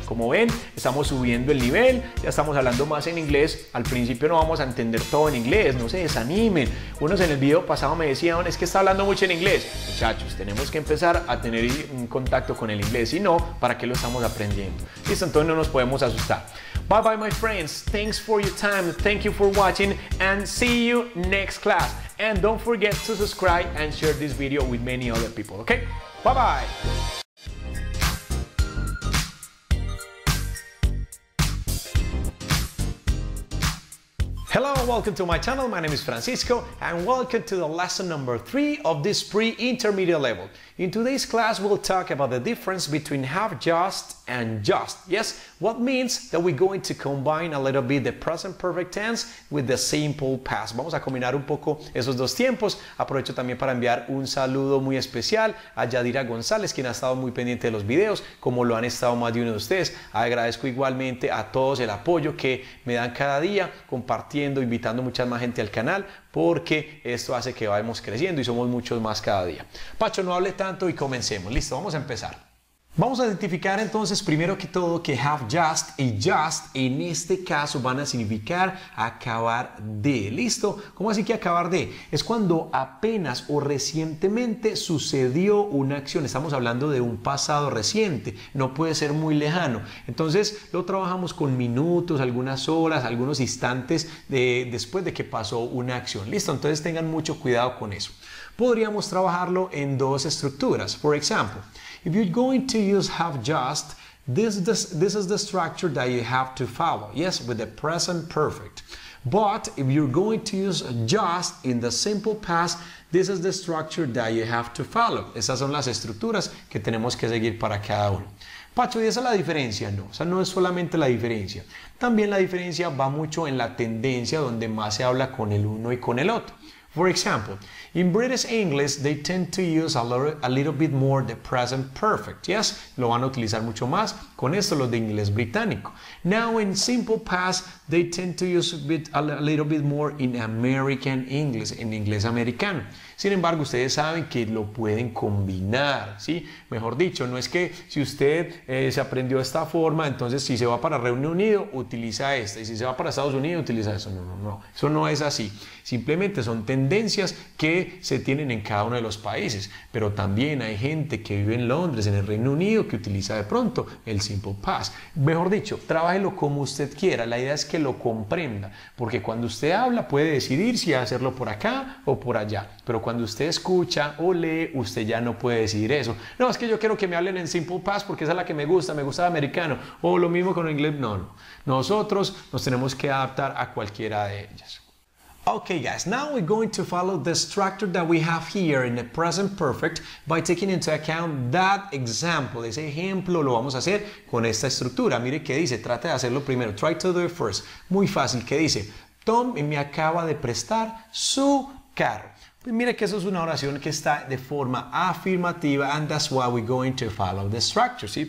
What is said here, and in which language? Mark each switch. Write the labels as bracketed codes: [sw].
[es] Como ven, estamos subiendo el nivel, ya estamos hablando más en inglés. Al principio no vamos a entender todo en inglés, no se desanimen. Unos en el video pasado me decían, es que está hablando mucho en inglés. Muchachos, tenemos que empezar a tener un contacto con el inglés, si no, ¿para qué lo estamos aprendiendo? Listo, entonces no nos podemos asustar. [en] Bye bye, my friends. Thanks for your time. Thank you for watching and see you next class. And don't forget to subscribe and share this video with many other people. Okay? Bye bye. Hello, welcome to my channel. My name is Francisco and welcome to the lesson number 3 of this pre-intermediate level. In today's class, we'll talk about the difference between have just and just. Yes, what means that we're going to combine a little bit the present perfect tense with the simple past. [es] Vamos a combinar un poco esos dos tiempos. Aprovecho también para enviar un saludo muy especial a Yadira González, quien ha estado muy pendiente de los videos, como lo han estado más de uno de ustedes. Agradezco igualmente a todos el apoyo que me dan cada día, compartiendo, invitando mucha más gente al canal, porque esto hace que vayamos creciendo y somos muchos más cada día. Pacho, no hable tanto y comencemos. Listo, vamos a empezar. Vamos a identificar entonces, primero que todo, que have just y just en este caso van a significar acabar de. ¿Listo? ¿Cómo así que acabar de? Es cuando apenas o recientemente sucedió una acción. Estamos hablando de un pasado reciente, no puede ser muy lejano. Entonces, lo trabajamos con minutos, algunas horas, algunos instantes después de que pasó una acción. ¿Listo? Entonces, tengan mucho cuidado con eso. podríamos trabajarlo en dos estructuras. [en] For example, if you're going to use have just, this is the structure that you have to follow. Yes, with the present perfect. But if you're going to use just in the simple past, this is the structure that you have to follow. [es] Esas son las estructuras que tenemos que seguir para cada uno. Pacho, ¿y esa es la diferencia? No, o sea, no es solamente la diferencia. También la diferencia va mucho en la tendencia donde más se habla con el uno y con el otro. [en] For example, in British English, they tend to use a little bit more the present perfect. [es] Yes, lo van a utilizar mucho más con esto los de inglés británico. [en] Now, in simple past, they tend to use a little bit more in American English, [es] en inglés americano. Sin embargo, ustedes saben que lo pueden combinar, ¿sí? Mejor dicho, no es que si usted se aprendió esta forma, entonces si se va para Reino Unido, utiliza esta. Y si se va para Estados Unidos, utiliza eso. No. Eso no es así. Simplemente son tendencias que se tienen en cada uno de los países. Pero también hay gente que vive en Londres, en el Reino Unido, que utiliza de pronto el simple past. Mejor dicho, trabájelo como usted quiera. La idea es que lo comprenda. Porque cuando usted habla, puede decidir si hacerlo por acá o por allá. Pero cuando usted escucha o lee, usted ya no puede decidir eso. No, es que yo quiero que me hablen en simple past porque esa es la que me gusta el americano. O lo mismo con el inglés, no. Nosotros nos tenemos que adaptar a cualquiera de ellas. [en] Okay, guys, now we're going to follow the structure that we have here in the present perfect by taking into account that example. [es] Ese ejemplo lo vamos a hacer con esta estructura. Mire qué dice, trate de hacerlo primero. [en] Try to do it first. [es] Muy fácil, ¿qué dice? Tom me acaba de prestar su carro. Mira que eso es una oración que está de forma afirmativa [en] and that's why we're going to follow the structure, [es] ¿sí?